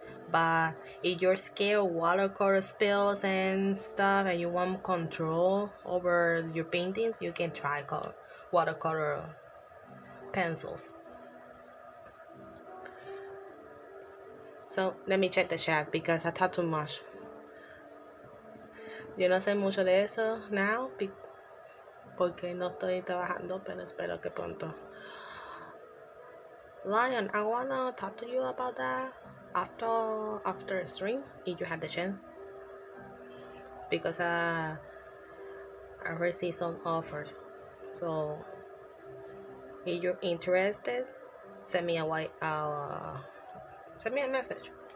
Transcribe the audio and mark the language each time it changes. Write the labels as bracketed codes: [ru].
[en] But if you're scared of watercolor spills and stuff and you want control over your paintings, you can try watercolor pencils. So let me check the chat because I talk too much. [es] Yo no sé mucho de eso now porque no estoy trabajando, pero espero que pronto. [en] Lion, I wanna talk to you about that after a stream, if you have the chance. Because I received some offers. So, if you're interested, send me a message.